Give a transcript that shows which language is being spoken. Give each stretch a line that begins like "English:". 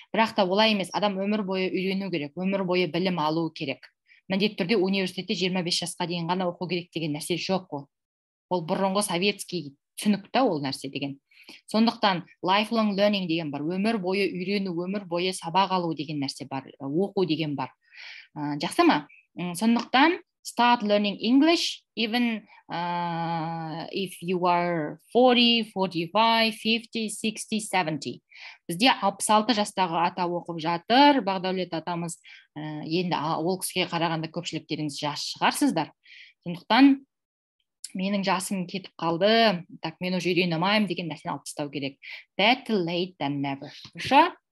Kazakh: Бірақ та олай емес, адам өмір бойы үйрену керек, өмір бойы білім алу керек. Міндетті түрде университетте 25 жасқа дейін ғана оқу керек деген нәрсе жоқ. Ол бұрынғы советский түсінікті ол нәрсе деген. Сондықтан lifelong learning деген бар, өмір бойы үйрену, өмір бойы сабақ алу деген нәрсе бар, оқу деген бар. Жақсы ма? Сондықтан
English: start learning English even if you are 40, 45, 50, 60, 70.
Kazakh: Бізде 66 жастағы ата оқып жатыр, Бағдаулет атамыз, енді ол кісіге қарағанда көпшіліктеріңіз жас шығарсыздар. Сондықтан менің жасым кетіп қалды, так мен уже үйренемайым деген нәрсені алып тастау керек.
English: Better late than never.
Kazakh: Ұша?